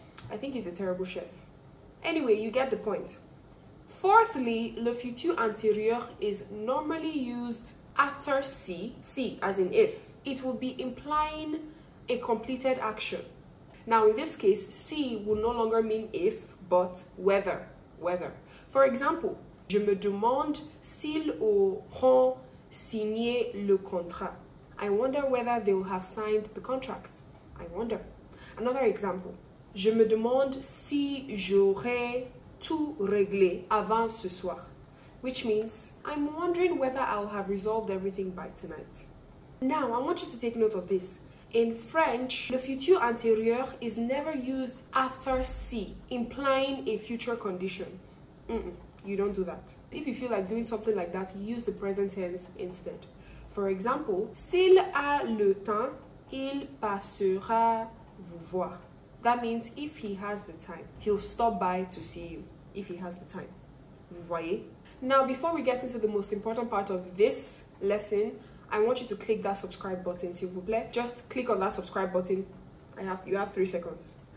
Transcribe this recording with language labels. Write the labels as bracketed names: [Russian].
[English] I think he's a terrible chef. Anyway, you get the point. Fourthly, le futur antérieur is normally used after si, as in if. It will be implying a completed action. Now, in this case, si will no longer mean if, but whether. For example, [French] je me demande s'ils auront signé le contrat. [English] I wonder whether they will have signed the contract. I wonder. Another example. [French] Je me demande si j'aurai tout réglé avant ce soir. [English] Which means, I'm wondering whether I'll have resolved everything by tonight. Now, I want you to take note of this. In French, le futur antérieur is never used after si, implying a future condition. You don't do that. If you feel like doing something like that, use the present tense instead. For example, [French] s'il a le temps, il passera vous voir. [English] That means if he has the time, he'll stop by to see you. If he has the time. [French] Vous voyez? [English] Now, before we get into the most important part of this lesson, I want you to click that subscribe button, [French] s'il vous plaît. [English] Just click on that subscribe button. You have 3 seconds.